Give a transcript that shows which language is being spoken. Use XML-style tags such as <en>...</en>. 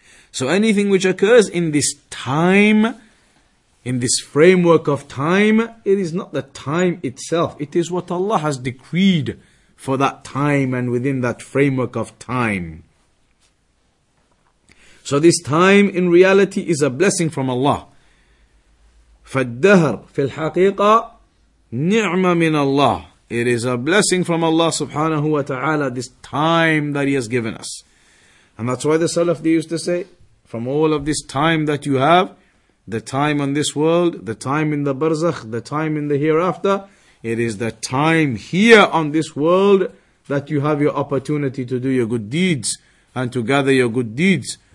<en>So anything which occurs in this time, in this framework of time, it is not the time itself. It is what Allah has decreed for that time and within that framework of time. So this time in reality is a blessing from Allah.</en> <ar>فالدهر في الحقيقة نعمة من الله.</ar> <en>It is a blessing from Allah subhanahu wa ta'ala, this time that He has given us. And that's why the Salaf, they used to say, from all of this time that you have, the time on this world, the time in the barzakh, the time in the hereafter, it is the time here on this world that you have your opportunity to do your good deeds and to gather your good deeds.</en>